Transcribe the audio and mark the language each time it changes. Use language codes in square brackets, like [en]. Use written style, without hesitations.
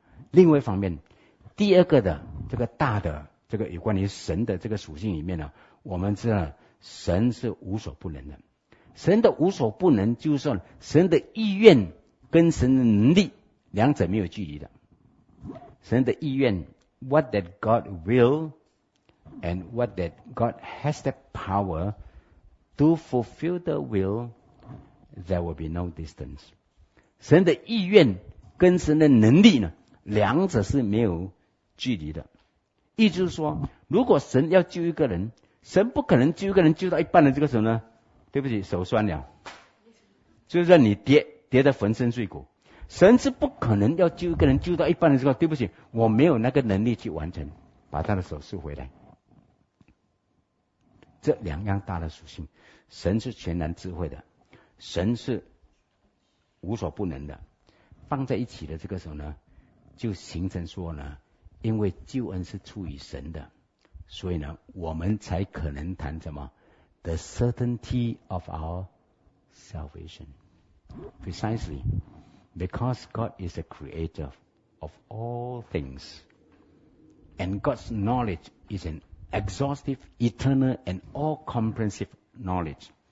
[zh] 另外一方面，第二个的这个大的这个有关于神的这个属性里面呢，我们知道神是无所不能的。神的无所不能，就是说神的意愿跟神的能力两者没有距离的。神的意愿 [en] what that God will and what that God has the power to fulfill the will, there will be no distance。 [zh] 神的意愿跟神的能力呢，两者是没有距离的。意思就是说，如果神要救一个人，神不可能救一个人救到一半的这个时候呢，对不起，手酸了，就让你跌得粉身碎骨。神是不可能要救一个人救到一半的时候，对不起，我没有那个能力去完成，把他的手术回来。这两样大的属性，神是全然智慧的，神是无所不能的，放在一起的这个时候呢，就形成说呢，因为救恩是出于神的，所以呢，我们才可能谈什么？ [en] The certainty of our salvation. Precisely, because God is the creator of all things, and God's knowledge is an exhaustive, eternal, and all-comprehensive knowledge.